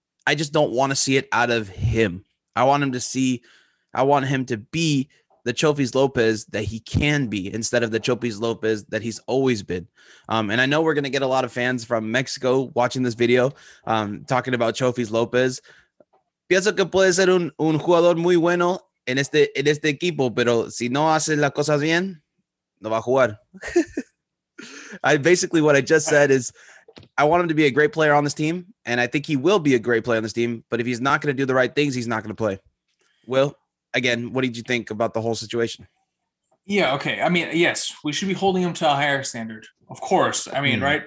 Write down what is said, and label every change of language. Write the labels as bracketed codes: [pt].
[en] I just don't want to see it out of him. I want him to be the Chofis Lopez that he can be, instead of the Chofis Lopez that he's always been. And I know we're going to get a lot of fans from Mexico watching this video, talking about Chofis Lopez. [es] Pienso que puede ser un jugador muy bueno en este equipo, pero si no hace las cosas bien, no va a jugar. [en] Basically, what I just said is I want him to be a great player on this team, and I think he will be a great player on this team, but if he's not going to do the right things, he's not going to play. Will? Again, what did you think about the whole situation? Yeah, okay. I mean, yes, we should be holding him to a higher standard. Of course. I mean, right?